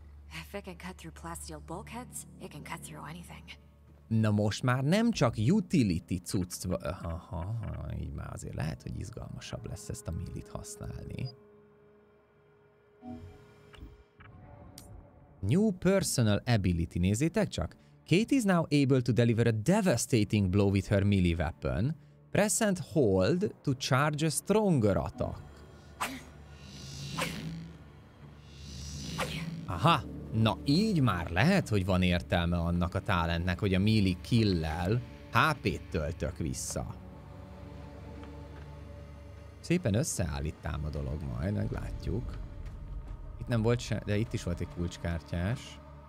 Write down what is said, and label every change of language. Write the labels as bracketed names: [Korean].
[English] If it can cut through plastic bulkheads, it can cut through anything. [Hungarian] Na most már nem csak utility cucc... így már azért lehet, hogy izgalmasabb lesz ezt a millit használni. [English] New personal ability, [Hungarian] nézzétek csak. [English] Kate is now able to deliver a devastating blow with her melee weapon. Press and hold to charge a stronger attack. Aha! [Hungarian] Na, így már lehet, hogy van értelme annak a talentnek, hogy a melee kill-lel HP-t töltök vissza. Szépen összeállítám a dolog majd, meglátjuk. Itt nem volt se, de itt is volt egy kulcskártyás.